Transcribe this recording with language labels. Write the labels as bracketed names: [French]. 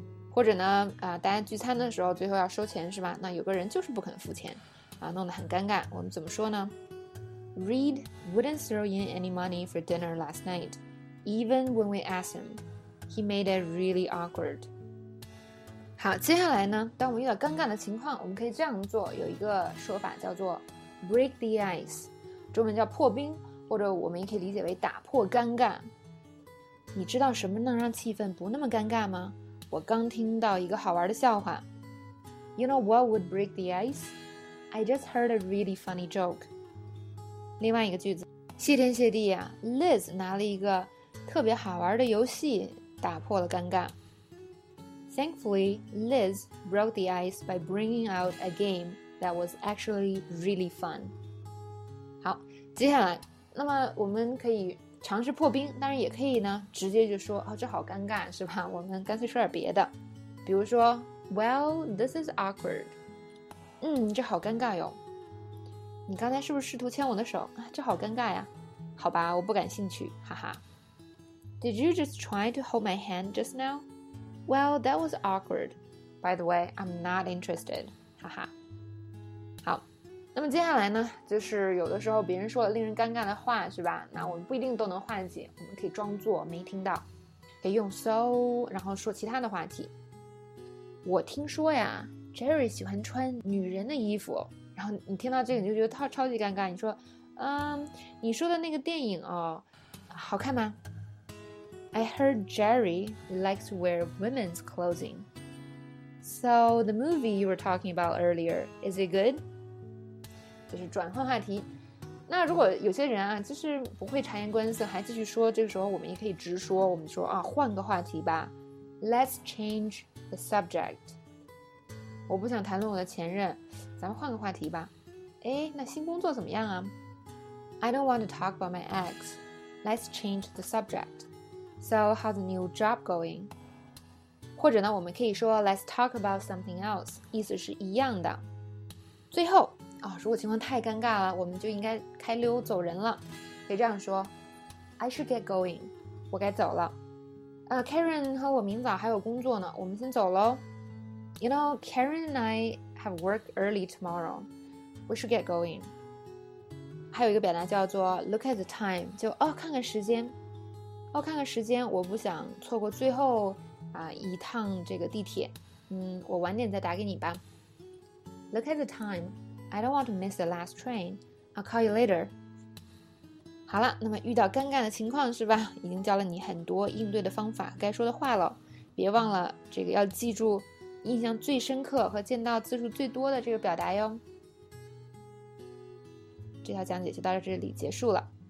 [Chinese] 或者呢、大家聚餐的时候最后要收钱是吧那有个人就是不肯付钱、弄得很尴尬我们怎么说呢 [English] Reed wouldn't throw in any money for dinner last night Even when we asked him He made it really awkward [Chinese] 好，接下来呢，当我们遇到尴尬的情况，我们可以这样做，有一个说法叫做 [English] break the ice， [Chinese] 中文叫破冰，或者我们也可以理解为打破尴尬。你知道什么能让气氛不那么尴尬吗？我刚听到一个好玩的笑话。 [English] You know what would break the ice? I just heard a really funny joke. [Chinese] 另外一个句子，谢天谢地啊 ，Liz 拿了一个特别好玩的游戏，打破了尴尬。 [English] Thankfully, Liz broke the ice by bringing out a game that was actually really fun. [Chinese] 好，接下来，那么我们可以尝试破冰，当然也可以呢，直接就说，哦，这好尴尬，是吧？我们干脆说点别的，比如说 ， [English] Well, this is awkward. [Chinese] 嗯，这好尴尬哟。你刚才是不是试图牵我的手？啊，这好尴尬呀。好吧，我不感兴趣，哈哈。 [English] Did you just try to hold my hand just now? Well, that was awkward. By the way, I'm not interested. 哈哈。 [Chinese] 好，那么接下来呢，就是有的时候别人说了令人尴尬的话，是吧？那我们不一定都能化解，我们可以装作没听到，可以用 so， 然后说其他的话题。我听说呀 ，Jerry 喜欢穿女人的衣服，然后你听到这个你就觉得超级尴尬。你说，你说的那个电影哦，好看吗？ [English] I heard Jerry likes to wear women's clothing. So, the movie you were talking about earlier, is it good? [Chinese] 就是转换话题。那如果有些人啊，就是不会察言观色，还继续说，这个时候我们也可以直说，我们说啊，换个话题吧。 [English] Let's change the subject. [Chinese] 我不想谈论我的前任，咱们换个话题吧。哎，那新工作怎么样啊？ [English] I don't want to talk about my ex. Let's change the subject. So, how's the new job going? [Chinese] 或者呢，我们可以说 [English] Let's talk about something else. [Chinese] 意思是一样的。最后、如果情况太尴尬了，我们就应该开溜走人了。可以这样说 [English] I should get going. [Chinese] 我该走了。 Karen 和我明早还有工作呢，我们先走咯。 [English] You know, Karen and I have work early tomorrow. We should get going. [Chinese] 还有一个表达叫做 [English] Look at the time. [Chinese] 就哦，看看时间。哦，看看时间，我不想错过最后一趟这个地铁。我晚点再打给你吧。 [English] Look at the time. I don't want to miss the last train. I'll call you later. [Chinese] 好了，那么遇到尴尬的情况是吧，已经教了你很多应对的方法，该说的话了，别忘了这个要记住印象最深刻和见到次数最多的这个表达哟。这条讲解就到这里结束了。